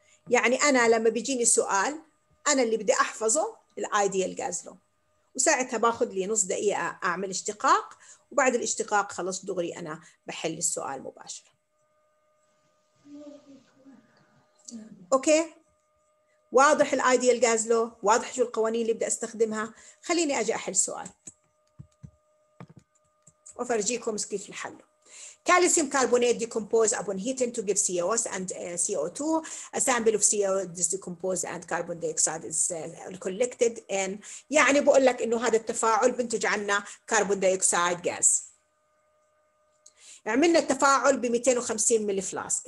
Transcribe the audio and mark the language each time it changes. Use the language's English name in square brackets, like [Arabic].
[Arabic] يعني أنا لما بيجيني سؤال أنا اللي بدي أحفظه الايديال غاز لو، وساعتها باخذ لي نص دقيقة أعمل اشتقاق، وبعد الاشتقاق خلص دغري أنا بحل السؤال مباشرة. أوكي؟ واضح الايديال غاز لو؟ واضح شو القوانين اللي بدي أستخدمها؟ خليني أجي أحل سؤال وأفرجيكم كيف الحل. [English] Calcium carbonate decompose upon heating to give COS and CO2. A sample of CO is decomposed and carbon dioxide is collected. [Arabic] And يعني بقول لك إنه هذا التفاعل بنتج عنا carbon dioxide gas. عملنا التفاعل ب 250 ملي فلاسك.